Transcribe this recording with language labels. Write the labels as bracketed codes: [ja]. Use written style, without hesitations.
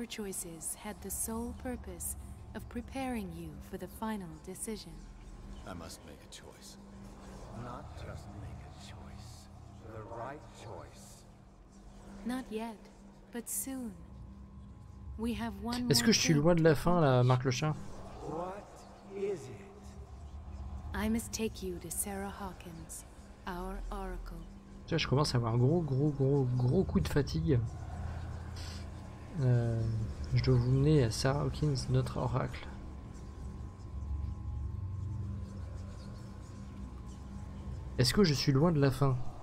[fr] Oui. Tous vos choix avaient le seul but de vous préparer pour la décision finale. [en] I must make a choice. Not just make a choice. The right choice. Not yet, but soon. We have one. [fr] Est-ce que je suis loin de la fin, là, Marc le Chat? [en] What is it? I must take you to Sarah Hawkins, our oracle. [fr] Tiens, je commence à avoir un gros coup de fatigue. Je dois vous mener à Sarah Hawkins, notre oracle. Est-ce que je suis loin de la fin?